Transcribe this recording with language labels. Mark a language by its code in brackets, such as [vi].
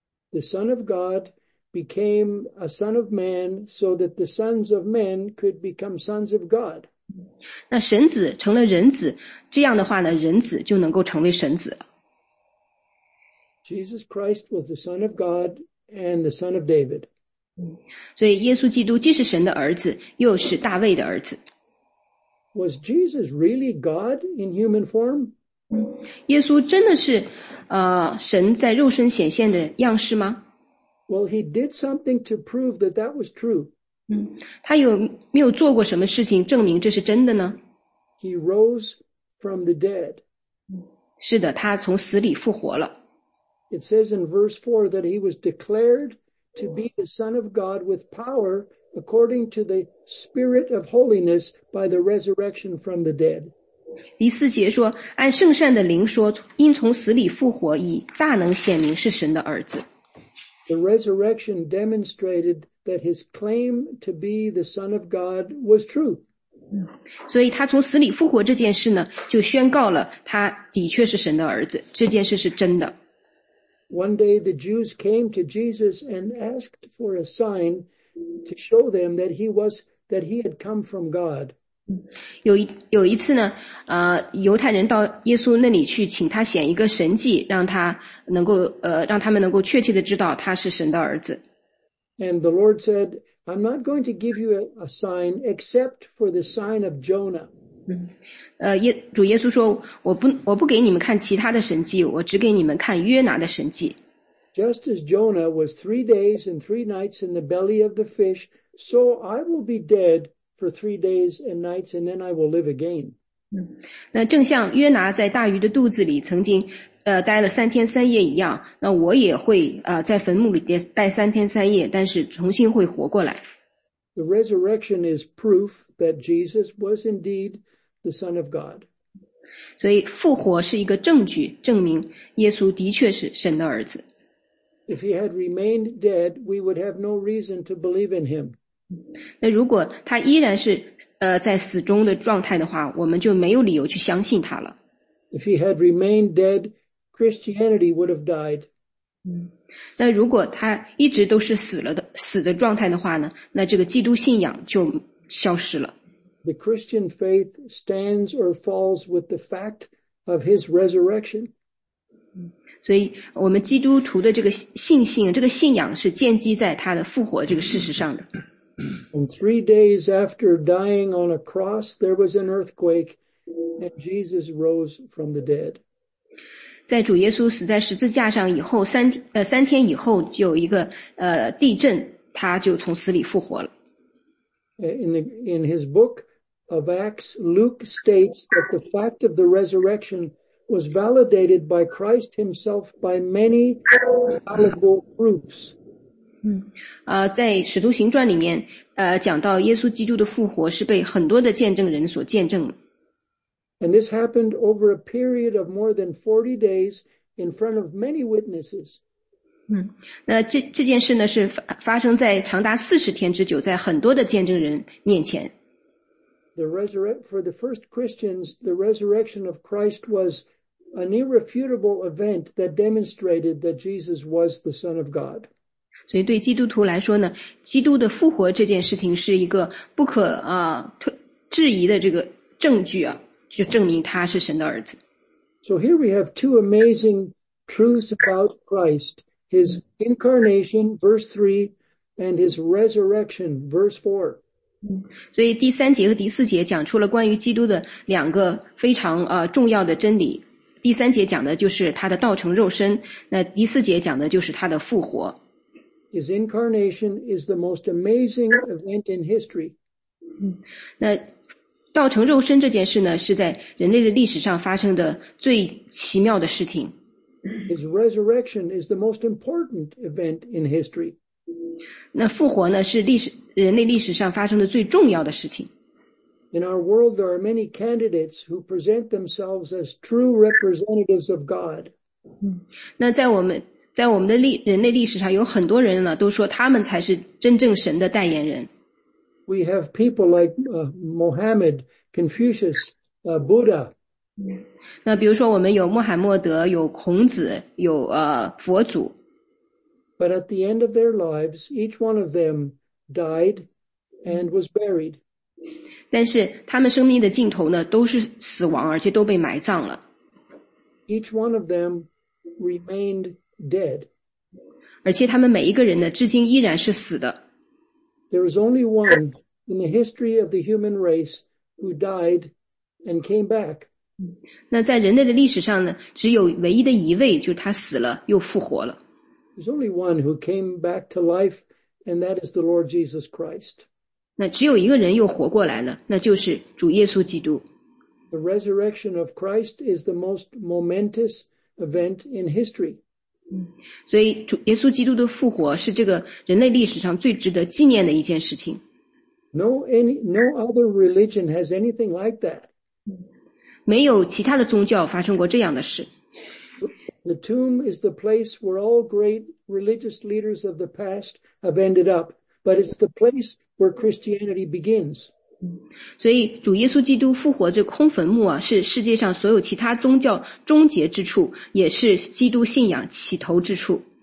[en] The Son of God became a son of man so that the sons of men could become sons of God. [zh] 那神子成了人子，这样的话呢，人子就能够成为神子了。 [en] Jesus Christ was the Son of God and the Son of David. [zh] 所以耶稣基督既是神的儿子，又是大卫的儿子。 [en] Was Jesus really God in human form? [zh] 耶稣真的是神在肉身显现的样式吗？ [en] Well, he did something to prove that that was true. [zh] 他有没有做过什么事情证明这是真的呢？ [en] He rose from the dead. [zh] 是的，他从死里复活了。 [en] It says in verse 4 that he was declared to be the Son of God with power according to the Spirit of holiness by the resurrection from the dead. [zh] 第四节说，按圣善的灵说，因从死里复活，以大能显明是神的儿子。 [en] The resurrection demonstrated that his claim to be the Son of God was true. [zh] 所以他从死里复活这件事呢，就宣告了他的确是神的儿子，这件事是真的。 [en] One day the Jews came to Jesus and asked for a sign to show them that he had come from God. [zh] 有一次呢，犹太人到耶稣那里去，请他显一个神迹，让他们能够确切的知道他是神的儿子。 [en] And the Lord said, "I'm not going to give you a sign except for the sign of Jonah." [zh] 主耶稣说，我不给你们看其他的神迹，我只给你们看约拿的神迹。 [en] Just as Jonah was 3 days and 3 nights in the belly of the fish, so I will be dead for 3 days and nights, and then I will live again. [zh] 那正像约拿在大鱼的肚子里曾经待了三天三夜一样，那我也会在坟墓里待三天三夜，但是重新会活过来。 [en] The resurrection is proof that Jesus was indeed the Son of God. [zh] 所以复活是一个证据，证明耶稣的确是神的儿子。 [en] If he had remained dead, we would have no reason to believe in him. [zh] 那如果他依然是在死中的状态的话，我们就没有理由去相信他了。 [en] If he had remained dead, Christianity would have died. [zh] 那如果他一直都是死的状态的话呢？那这个基督信仰就消失了。 [en] The Christian faith stands or falls with the fact of his resurrection. [zh] 所以我们基督徒的这个信心，这个信仰是建基在他的复活这个事实上的。 [en] And 3 days after dying on a cross, there was an earthquake. And Jesus rose from the dead. [zh] 在主耶稣死在十字架上以后，三天以后就有一个地震，他就从死里复活了。 [en] In his book of Acts, Luke states that the fact of the resurrection was validated by Christ himself by many valuable proofs. [zh] 在使徒行传里面讲到耶稣基督的复活是被很多的见证人所见证了。 [en] And this happened over a period of more than 40 days in front of many witnesses. [zh] 那这件事呢是发生在长达40天之久，在很多的见证人面前。 [en] For the first Christians, the resurrection of Christ was an irrefutable event that demonstrated that Jesus was the Son of God. [zh] 所以对基督徒来说呢，基督的复活这件事情是一个不可质疑的这个证据啊。就证明他是神的儿子。 [en] So here we have two amazing truths about Christ. His incarnation, verse 3, and his resurrection, verse 4. [zh] 所以第三节和第四节讲出了关于基督的两个非常重要的真理。第三节讲的就是他的道成肉身，那第四节讲的就是他的复活。 [en] His incarnation is the most amazing event in history. [zh] 那道成肉身这件事呢，是在人类的历史上发生的最奇妙的事情。 [en] His resurrection is the most important event in history. [zh] 那复活呢，是人类历史上发生的最重要的事情。 [en] In our world, there are many candidates who present themselves as true representatives of God. [zh] 那在我们的人类历史上，有很多人呢，都说他们才是真正神的代言人。 [en] We have people like Mohammed, Confucius, Buddha. [zh] 那比如说我们有穆罕默德，有孔子，有佛祖。 [en] But at the end of their lives, each one of them died and was buried. [zh] 但是他们生命的尽头呢，都是死亡，而且都被埋葬了。 [en] Each one of them remained dead. [zh] 而且他们每一个人呢，至今依然是死的。 [en] There is only one in the history of the human race who died and came back. [zh] 那在人类的历史上呢，只有唯一的一位，就是他死了又复活了。 [en] There's only one who came back to life, and that is the Lord Jesus Christ. [zh] 那只有一个人又活过来了，那就是主耶稣基督。 [en] The resurrection of Christ is the most momentous event in history. [zh] 所以主耶稣基督的复活是这个人类历史上最值得纪念的一件事情。 [en] No other religion has anything like that. [zh] 没有其他的宗教发生过这样的事。 [en] The tomb is the place where all great religious leaders of the past have ended up, but it's the place where Christianity begins. [zh] 所以主耶稣基督复活这空坟墓啊，是世界上所有其他宗教终结之处，也是基督信仰起头之处。